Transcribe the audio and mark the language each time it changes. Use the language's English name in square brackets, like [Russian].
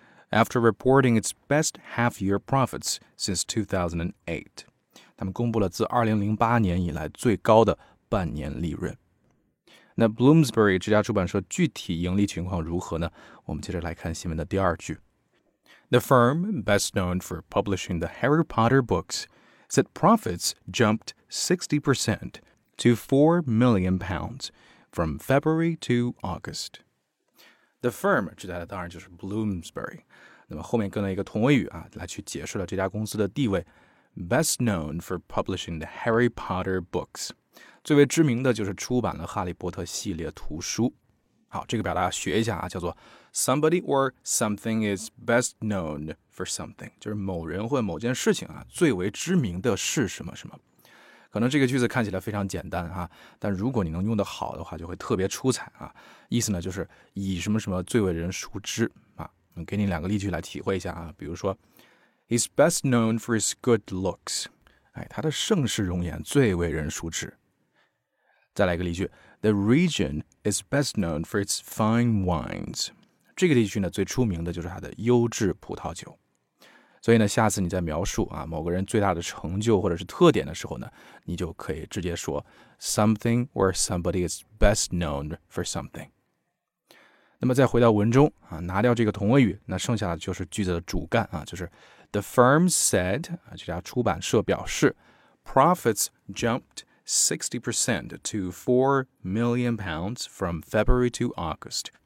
[English] After reporting its best half-year profits since 2008, [Chinese] 他们公布了自2008年以来最高的半年利润。那 Bloomsbury 这家出版社具体盈利情况如何呢？我们接着来看新闻的第二句。 [English] The firm, best known for publishing the Harry Potter books, said profits jumped 60% to £4 million from February to August. The firm, [Chinese] 指代的当然就是 Bloomsbury, 那么后面跟了一个同位语啊，来去解释了这家公司的地位。 [English] Best known for publishing the Harry Potter books. [Chinese] 最为知名的就是出版了哈利波特系列图书。好，这个表达学一下啊，叫做 [English] Somebody or something is best known for something. [Chinese] 就是某人或某件事情啊，最为知名的是什么什么。可能这个句子看起来非常简单啊，但如果你能用得好的话就会特别出彩啊。意思呢就是以什么什么最为人熟知啊。给你两个例句来体会一下啊，比如说 [English] He's best known for his good looks. [Chinese] 哎，他的盛世容颜最为人熟知。再来一个例句， [English] The region is best known for its fine wines. [Chinese] 这个地区呢最出名的就是它的优质葡萄酒。所以呢下次你在描述啊某个人最大的成就或者是特点的时候呢，你就可以直接说 [English] something or somebody is best known for something. [Chinese] 那么再回到文中啊，拿掉这个同位语，那剩下的就是句子的主干啊，就是 [English] The firm said, [Chinese] 啊，这家出版社表示 [English] profits jumped 60% to £4 million from February to August.